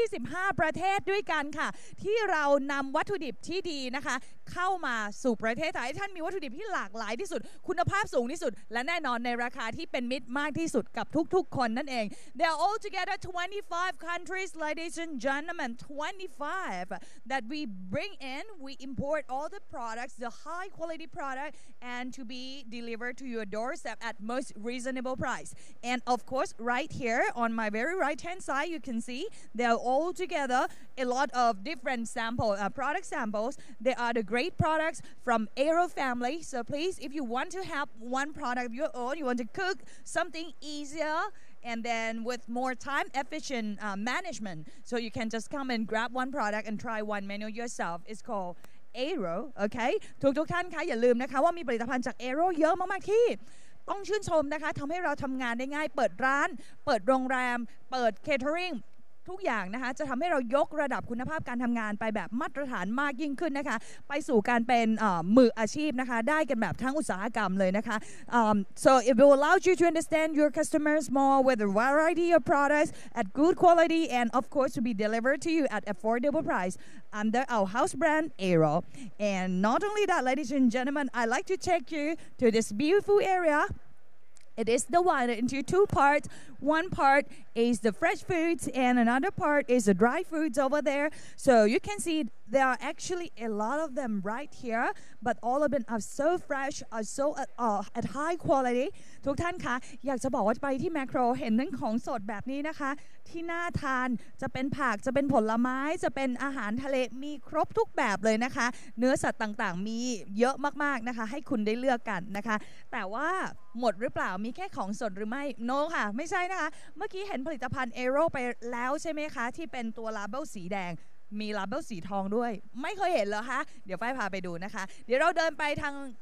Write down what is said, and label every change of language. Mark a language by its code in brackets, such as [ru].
[th] 25ประเทศด้วยกันค่ะที่เรานำวัตถุดิบที่ดีนะคะเข้ามาสู่ประเทศไทยท่านมีวัตถุดิบที่หลากหลายที่สุดคุณภาพสูงที่สุดและแน่นอนในราคาที่เป็นมิตรมากที่สุดกับทุกๆคนนั่นเอง [en] There are altogether 25 countries, ladies and gentlemen, 25 that we bring in, we import all the products, the high quality product, and to be delivered to your doorstep at most reasonable price. And of course, right here on my very right hand side, you can see there are altogether a lot of different sample product samples. There are the great products from Aero family. So please, if you want to have one product of your own, you want to cook something easier and then with more time efficient management, so you can just come and grab one product and try one menu yourself. It's called Aero. [th] Okay, ทุกท่านคะอย่าลืมนะคะว่ามีผลิตภัณฑ์จาก Aero เยอะมากๆที่ต้องชื่นชมนะคะทำให้เราทำงานได้ง่ายเปิดร้านเปิดโรงแรมเปิดเคเทอริง ทุกอย่างนะคะจะทำให้เรายกระดับคุณภาพการทำงานไปแบบมาตรฐานมากยิ่งขึ้นนะคะไปสู่การเป็นมืออาชีพนะคะได้กันแบบทั้งอุตสาหกรรมเลยนะคะ [en] so it will allow you to understand your customers more with a variety of products at good quality and of course to be delivered to you at affordable price under our house brand Aero and not only that ladies and gentlemen I'd like to take you to this beautiful areaIt is divided into two parts. One part is the fresh foods and another part is the dry foods over there. So you can see there are actually a lot of them right here, but all of them are so fresh, are so at high quality. [th] ทุกท่านคะอยากจะบอกว่าไปที่แมคโครเห็นทั้งของสดแบบนี้นะคะที่น่าทานจะเป็นผักจะเป็นผลไม้จะเป็นอาหารทะเลมีครบทุกแบบเลยนะคะเนื้อสัตว์ต่างๆมีเยอะมากๆนะคะให้คุณได้เลือกกันนะคะแต่ว่าหมดหรือเปล่ามีแค่ของสดหรือไม่โน้ค่ะไม่ใช่นะคะเมื่อกี้เห็นผลิตภัณฑ์ Aero ไปแล้วใช่ไหมคะที่เป็นตัวลาเบลสีแดงมีลาเบลสีทองด้วยไม่เคยเห็นเหรอคะเดี๋ยวไฟพาไปดูนะคะเดี๋ยวเราเดินไปทาง